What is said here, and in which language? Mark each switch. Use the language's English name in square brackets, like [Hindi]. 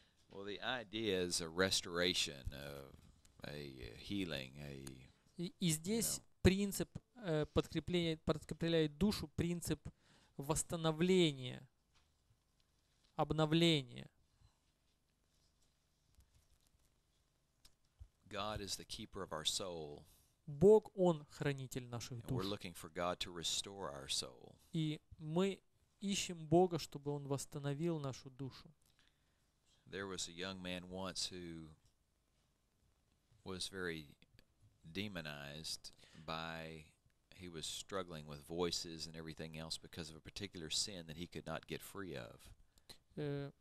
[English] Well, the idea is a restoration of a healing, a. [Russian] И здесь принцип подкрепляет душу, принцип восстановления, обновления. [English] God is the keeper of our soul. [Russian] Бог, Он хранитель наших душ. [English] And we're looking for God to restore our soul. [Russian] И мы ищем Бога, чтобы Он восстановил нашу душу. [English] There was a young man once who was very demonized by, he was struggling with voices and everything else because of a particular sin that he could not get free of.